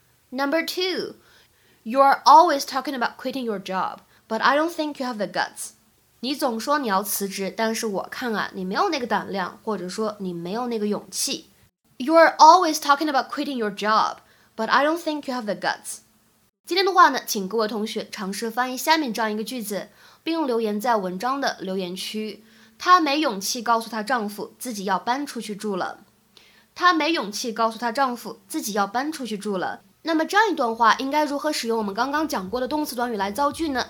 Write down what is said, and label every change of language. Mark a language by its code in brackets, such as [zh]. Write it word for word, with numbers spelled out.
[en] Number two, you're always talking about quitting your job, but I don't think you have the guts. [zh] 你总说你要辞职，但是我看啊，你没有那个胆量，或者说你没有那个勇气。 [en] You're always talking about quitting your job, but I don't think you have the guts. [zh] 今天的话呢，请各位同学尝试翻译下面这样一个句子，并留言在文章的留言区。她没勇气告诉她丈夫自己要搬出去住了。她没勇气告诉她丈夫自己要搬出去住了。那么这样一段话应该如何使用我们刚刚讲过的动词短语来造句呢？